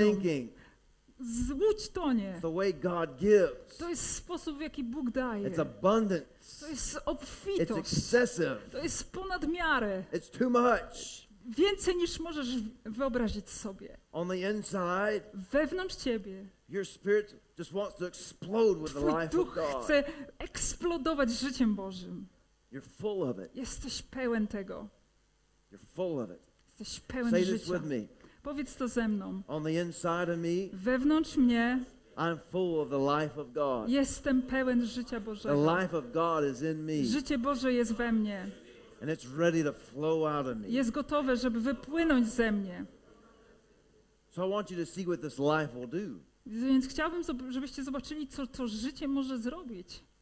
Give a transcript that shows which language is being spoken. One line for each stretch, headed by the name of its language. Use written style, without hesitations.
English: Boat sinking.
Polish: Łódź tonie.
English: The way God gives.
Polish: To jest sposób, w jaki Bóg daje.
English: It's abundance.
Polish: To jest obfitość.
English: It's excessive.
Polish: To jest ponad miarę.
English: It's too much.
Polish: Więcej niż możesz wyobrazić sobie.
English: On the inside,
Polish: wewnątrz ciebie.
English: Your spirit just wants to explode with the life of God.
Polish: Twój duch chce eksplodować życiem Bożym.
English: You're full of it.
Polish: Jesteś pełen tego.
English: You're full of it.
Polish: Jesteś pełen
English: Say
Polish: życia.
English: This with me.
Polish: Powiedz to ze mną.
English: On the inside of me,
Polish: wewnątrz mnie.
English: I'm full of the life of God.
Polish: Jestem pełen życia Bożego.
English: The life of God is in me.
Polish: Życie Boże jest we mnie.
English: And it's ready to flow out of me.
Polish: Jest gotowe, żeby wypłynąć ze mnie.
English: So I want you to see what this life will do.
Polish: Więc chciałbym, żebyście zobaczyli, co to życie może zrobić.